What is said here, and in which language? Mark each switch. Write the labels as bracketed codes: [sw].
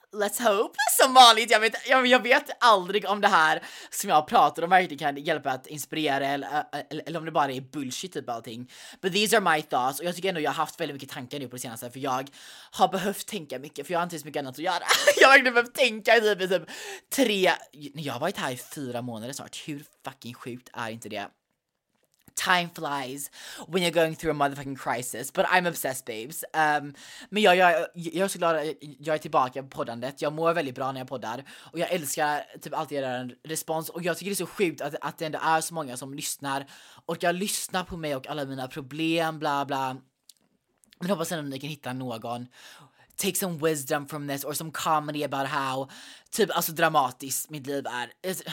[en] Let's hope, [sv] som vanligt. Jag vet aldrig om det här som jag pratar om verkligen kan hjälpa att inspirera eller om det bara är bullshit typ allting. [en] But these are my thoughts. [sv] Och jag tycker ändå jag har haft väldigt mycket tankar nu på det senaste, för jag har behövt tänka mycket, för jag har inte så mycket annat att göra. Jag har behövt tänka typ tre, jag har varit här i 4 månader snart. Hur fucking sjukt är inte det? [en] Time flies when you're going through a motherfucking crisis. But I'm obsessed, babes. [sv] Men jag är så glad att jag är tillbaka på poddandet. Jag mår väldigt bra när jag poddar. Och jag älskar typ alltid er respons. Och jag tycker det är så sjukt att det ändå är så många som lyssnar. Och jag lyssnar på mig och alla mina problem, bla bla. Men hoppas ändå att ni kan hitta någon. [en] Take some wisdom from this or some comedy about how [sv] typ alltså dramatiskt mitt liv är.